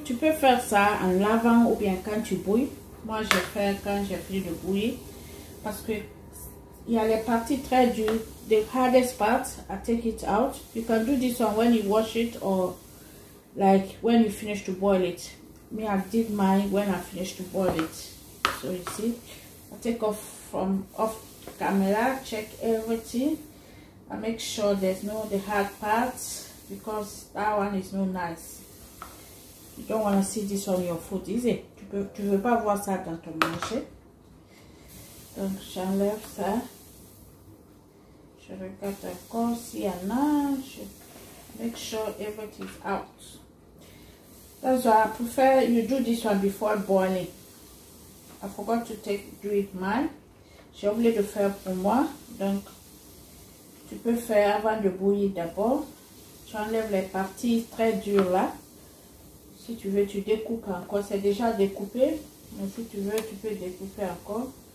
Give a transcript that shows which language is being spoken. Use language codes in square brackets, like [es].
[fr] Tu peux faire ça en lavant ou bien quand tu bouilles. Moi, je fais quand j'ai pris le bouillie. Parce que il y a les parties très dures. [en] The hardest part, I take it out. You can do this one when you wash it or like when you finish to boil it. Me, I did mine when I finished to boil it. So, you see, I take off from off camera, check everything. I make sure there's no the hard parts. Because that one is not nice. You don't want to see this on your food, is it? [fr] Tu veux pas voir ça dans ton marché. Donc j'enlève ça. Je regarde encore s'il y en a. [en] Je make sure everything is out. That's why I prefer you do this one before boiling. I forgot to take do it mine. [fr] J'ai oublié de faire pour moi. Donc tu peux faire avant de bouillir d'abord. J'enlève les parties très dures là. Si tu veux, tu découpes encore. C'est déjà découpé. Mais si tu veux, tu peux découper encore.